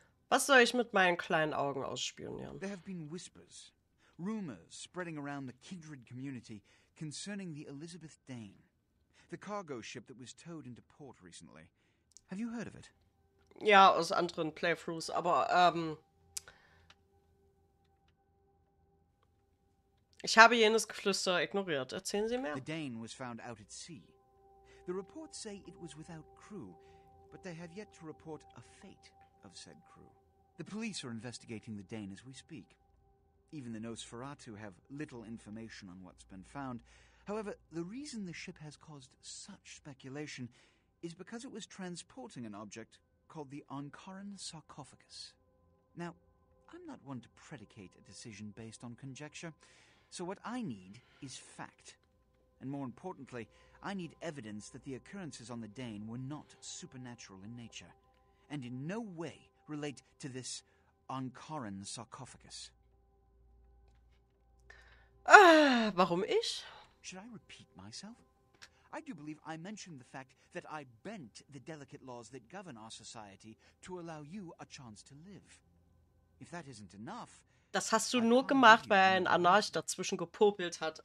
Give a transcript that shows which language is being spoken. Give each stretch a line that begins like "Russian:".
German: Was soll ich mit meinen kleinen Augen ausspionieren?
English: There have been whispers. Rumors spreading around the Kindred community concerning the Elizabeth Dane, the cargo ship that was towed into port recently. Have you heard of it?
German: Ja, aus anderen Playthroughs, aber ich habe jenes Geflüster ignoriert. Erzählen Sie mehr.
English: The Dane was found out at sea. The reports say it was without crew, but they have yet to report a fate of said crew. The police are investigating the Dane as we speak. Even the Nosferatu have little information on what's been found. However, the reason the ship has caused such speculation is because it was transporting an object called the Ankaran sarcophagus. Now, I'm not one to predicate a decision based on conjecture, so what I need is fact. And more importantly, I need evidence that the occurrences on the Dane were not supernatural in nature, and in no way relate to this Ankaran sarcophagus.
German: Warum ich?
English: Should I repeat myself? I do believe I mentioned the fact that I bent the delicate laws that govern our society to allow you a chance to live. If that isn't enough...
German: Das hast du nur gemacht, weil ein Anarch dazwischen gepopelt hat.